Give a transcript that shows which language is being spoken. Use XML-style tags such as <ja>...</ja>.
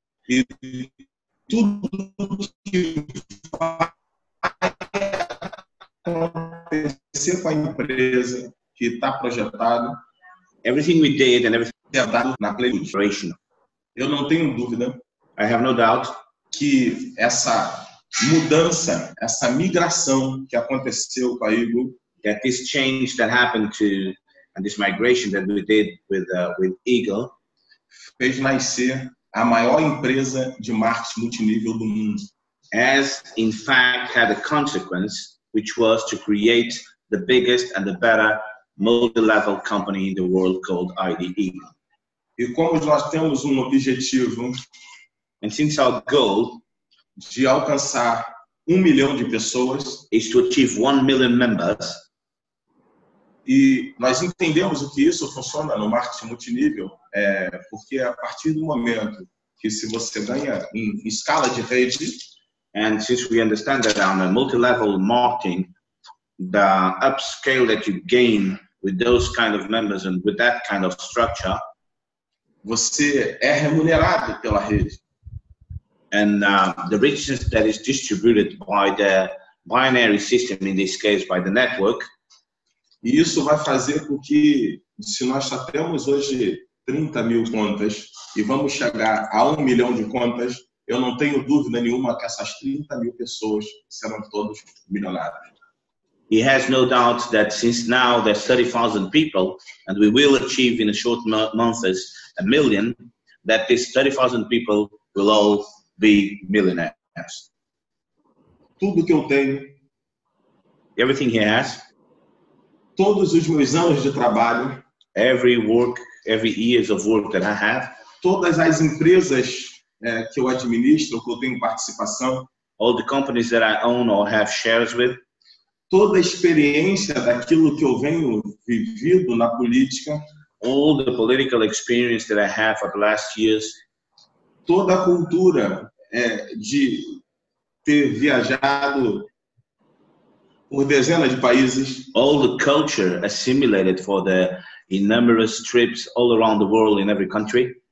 <pt>E tudo que vai acontecer com a empresa que está projetada.</pt> <en>Everything we did and everything we did</en> <pt>na</pt> <en>preparation.</en> <pt>Eu não tenho dúvida.</pt> <en>I have no doubt</en> <pt>que essa mudança, essa migração que aconteceu com a Eagle,</pt> <en>that this change that happened to and this migration that we did with Eagle</en> <pt>fez nascer a maior empresa de marketing multinível do mundo.</pt> <en>As in fact had a consequence which was to create the biggest and the better multi-level company in the world called IDIeagle.</en> <pt>E como nós temos objetivo.</pt> <en>And since our goal</en> <pt>de alcançar 1 milhão de pessoas</pt> <en>is to achieve 1 million members,</en> <pt>e nós entendemos o que isso funciona no marketing multinível, porque a partir do momento que se você ganha em escala de rede,</pt> <en>and since we understand that on a multi-level marketing, the upscale that you gain with those kind of members and with that kind of structure,</en> <pt>você é remunerado pela rede.</pt> <en>And the richness that is distributed by the binary system, in this case, by the network.</en> <pt>E isso vai fazer com que, se nós já temos hoje 30 mil contas e vamos chegar a 1 milhão de contas, eu não tenho dúvida nenhuma que essas 30 mil pessoas serão todos milionários.</pt> <en>He has no doubt that since now there's 30,000 people and we will achieve in a short months 1 million, that these 30,000 people will all be millionaires.</en> <pt>Tudo que eu tenho,</pt> <en>everything he has,</en> <pt>todos os meus anos de trabalho,</pt> <en>every work, every years of work that I have,</en> <pt>todas as empresas que eu administro, que eu tenho participação,</pt> <en>all the companies that I own or have shares with,</en> <pt>toda a experiência daquilo que eu venho vivido na política,</pt> <en>all the political experience that I have for the last years,</en> <pt>toda a cultura de ter viajado por dezenas de países,</pt> <en>all the culture assimilated for the innumerous trips all around the world in every country,</en>